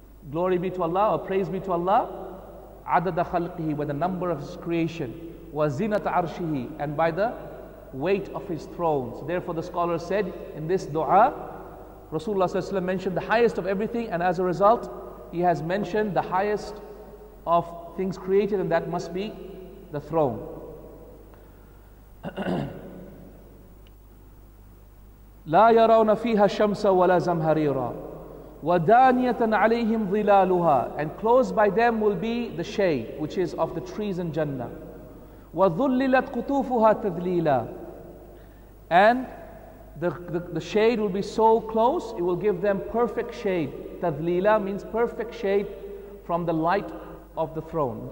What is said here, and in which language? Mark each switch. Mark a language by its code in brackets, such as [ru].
[en] Glory be to Allah, or praise be to Allah, [ar] adada khalqihi, [en] by the number of His creation, [ar] wa zinata arshihi, [en] and by the weight of His throne. So therefore the scholar said in this dua, Rasulullah mentioned the highest of everything, and as a result he has mentioned the highest of things created, and that must be the throne. [ar] لا يرون فيها شمسا ولا زمهريرا ودانية عليهم ظلالها. [en] And close by them will be the shade, which is of the trees in Jannah. [ar] وظللت قطوفها تذليلا. [en] And the shade will be so close, it will give them perfect shade. Tadlila means perfect shade from the light of the throne.